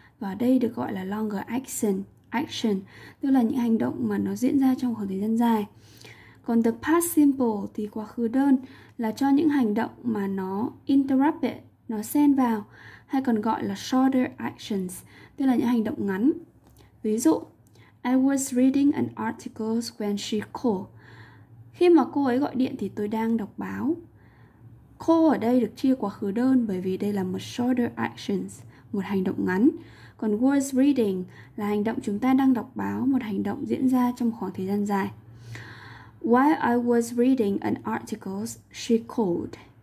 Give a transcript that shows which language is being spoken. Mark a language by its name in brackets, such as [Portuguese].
[Vietnamese] Và đây được gọi là longer action, tức là những hành động mà nó diễn ra trong khoảng thời gian dài. Còn the past simple thì quá khứ đơn là cho những hành động mà nó interrupted, nó xen vào, hay còn gọi là shorter actions, tức là những hành động ngắn. [English] Ví dụ, I was reading an article when she called. [Vietnamese] Khi mà cô ấy gọi điện thì tôi đang đọc báo. Cô ở đây được chia quá khứ đơn bởi vì đây là một shorter actions, một hành động ngắn. Còn was reading là hành động chúng ta đang đọc báo, một hành động diễn ra trong khoảng thời gian dài. [English] While I was reading an article, she called.